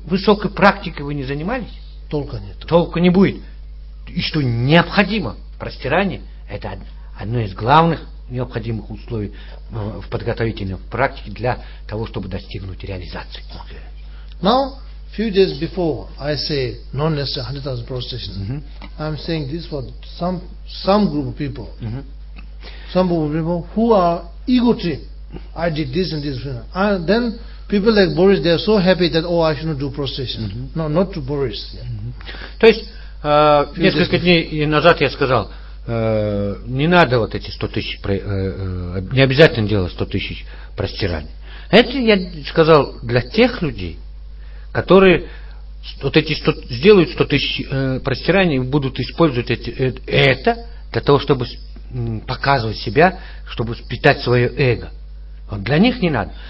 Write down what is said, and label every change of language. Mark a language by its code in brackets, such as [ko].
[ru] высокой практикой вы ни занимались, толка нет. Толка не будет. И что необходимо простирание, это одно из главных необходимых условий в подготовительной практике для того, чтобы достигнуть реализации. [en] Now, few days before I say not necessary 100,000 prostrations, I'm saying this for some group of people, some group of people who are ego trip. I did this and this. And then people like Boris, they are so happy that I shouldn't do prostration. No, not to Boris. [ru] То есть несколько дней назад я сказал, не надо вот эти 100 тысяч, не обязательно делать 100 тысяч простираний. Это я сказал для тех людей, которые вот эти 100, сделают 100 тысяч простираний и будут использовать это для того, чтобы показывать себя, чтобы питать свое эго. Вот для них не надо.